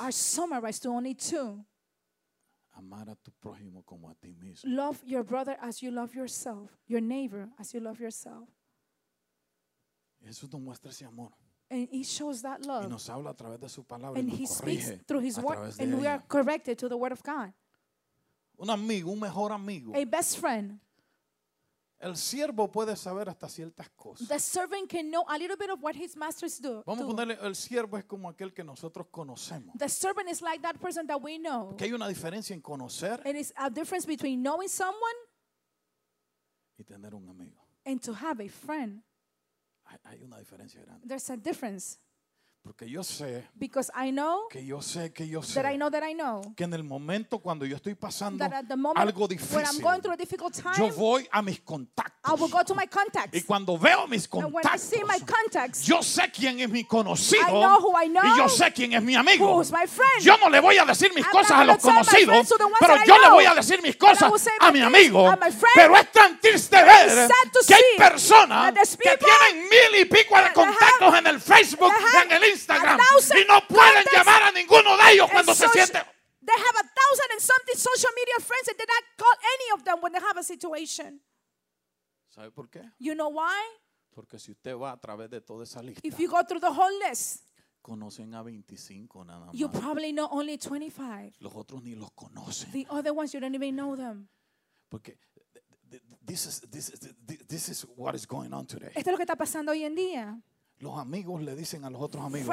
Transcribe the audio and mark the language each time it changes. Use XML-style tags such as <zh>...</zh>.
<en>are summarized to only two.</en> <es>Amar a tu prójimo como a ti mismo.</es> <en>Love your brother as you love yourself. Your neighbor as you love yourself.</en> <es>Eso nos muestra ese amor.</es> <en>And he shows that love.</en> <es>Y nos habla a través de su palabra.</es> <en>And</en> <es>y nos</es> <en>he speaks through his word. And</en> <es>ella.</es> <en>We are corrected to the word of God.</en> <es>Un amigo, un mejor amigo.</es> <en>A best friend.</en> <es>El siervo puede saber hasta ciertas cosas.</es> <en>The servant can know a little bit of what his masters do.</en> <es>Vamos a ponerle, el siervo es como aquel que nosotros conocemos.</es> <en>The servant is like that person that we know.</en> <es>Que hay una diferencia en conocer.</es> <en>And it's a difference between knowing someone.</en> <es>Y tener un amigo.</es> <en>And to have a friend.</en> <es>Hay una diferencia grande.</es> <en>There's a difference.</en> <es>Porque yo sé</es> <en>because I know</en> <es>que yo sé que yo sé</es> <en>that I know that I know</en> <es>que en el momento cuando yo estoy pasando algo difícil</es> <en>when I'm going through a difficult time,</en> <es>yo voy a mis contactos.</es> <en>I will go to my contacts.</en> <es>Y cuando veo mis contactos,</es> <en>and when I see my contacts,</en> <es>yo sé quién es mi conocido.</es> <en>I know who I know,</en> <es>y yo sé quién es mi amigo.</es> <en>Who's my friend.</en> <es>Yo no le voy a decir mis</es> <en>I'm</en> <es>cosas a los conocidos,</es> <en>friends, so</en> <es>pero yo le voy a decir mis cosas a mi amigo. Pero es tan triste ver que hay personas que tienen mil y pico de contactos en el Facebook, en el Instagram, y no pueden llamar a ninguno de ellos cuando se siente.</es> <en>They have a thousand and something social media friends and they don't call any of them when they have a situation.</en> <es>¿Sabe por qué?</es> <en>You know why?</en> <es>Porque si usted va a través de toda esa lista,</es> <en>if you go through the whole list,</en> <es>conocen a 25 nada más.</es> <en>You probably know only 25.</en> <es>Los otros ni los conocen.</es> <en>The other ones you don't even know them.</en> <es>Porque</es> <en>this is what is going on today.</en> <es>Esto es lo que está pasando hoy en día. Los amigos le dicen a los otros amigos,</es>